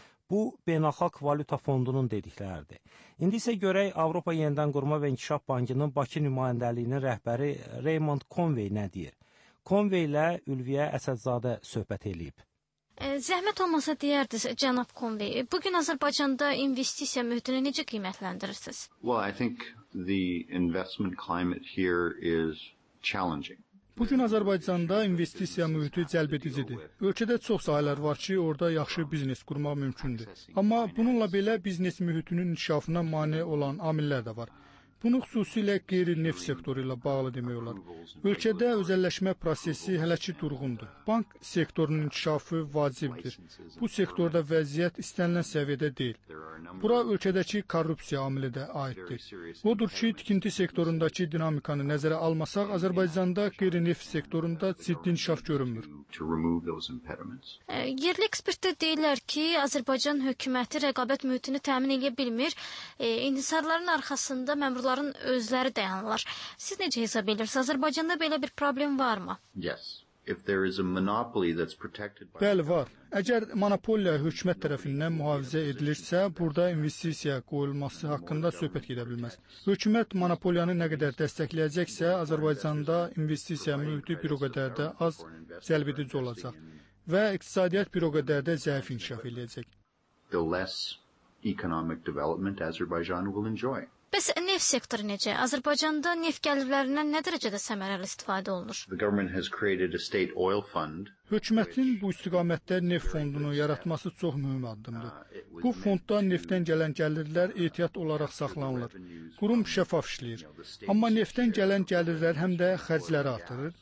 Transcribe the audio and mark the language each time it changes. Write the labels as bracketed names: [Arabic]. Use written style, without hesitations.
[Azerbaijani] Bu, Beynəlxalq Valyuta Fondunun dedikləridir. İndi isə görək, Avropa Yenidən Qurma və İnkişaf Bankının Bakı nümayəndəliyinin rəhbəri Raymond Conway nə deyir? Conway ilə Ülviyə Əsədzadə söhbət eləyib. Zəhmət olmasa deyərdiniz, cənab Conway, bugün Azərbaycanda investisiya mühitini necə qiymətləndirirsiniz? Well, I think the investment climate here is challenging. Bu gün Azərbaycanda investisiya mühiti cəlb edicidir. Ölkədə çox sahələr var ki, orada yaxşı biznes qurmaq mümkündür. Amma bununla belə biznes mühitinin inkişafına mane olan amillər də var. Bunu xüsusilə qeyri-neft sektoru ilə bağlı demək olar. Ölkədə özəlləşmə prosesi hələ ki durğundur. Bank sektorunun inkişafı vacibdir. Bu sektorda vəziyyət istənilən səviyyədə deyil. Bura ölkədəki korrupsiya amili də aiddir. Odur ki, tikinti sektorundakı dinamikanı nəzərə almasaq, Azərbaycanda qeyri-neft sektorunda ciddi inkişaf görünmür. Yerli ekspertlər deyirlər ki, Azərbaycan hökuməti rəqabət mühitini təmin edə bilmir. İnhisarların arxasında məmurların özləri dayanırlar. Siz necə hesab edirsiniz? Azərbaycanda belə bir problem varmı? [English] Yes. If there is a monopoly that's protected by [Azerbaijani] Bəli, var. Əgər monopoliya hökumət tərəfindən mühafizə edilirsə, burada investisiya qoyulması haqqında söhbət gedə bilməz. Hökumət monopoliyanı nə qədər dəstəkləyəcəksə, Azərbaycanda investisiya mühiti bir o qədər də az cəlb edici olacaq və iqtisadiyyat bir o qədər də zəif inkişaf edəcək. [English] The less economic development Azerbaijan will enjoy. [Azerbaijani] Bəs neft sektoru necə? Azərbaycanda neft gəlirlərindən nə dərəcədə səmərəli istifadə olunur? Hökumətin bu istiqamətdə neft fondunu yaratması çox mühüm addımdır. Bu fondda neftdən gələn gəlirlər ehtiyat olaraq saxlanılır. Qurum şəffaf işləyir. Amma neftdən gələn gəlirlər həm də xərcləri artırır.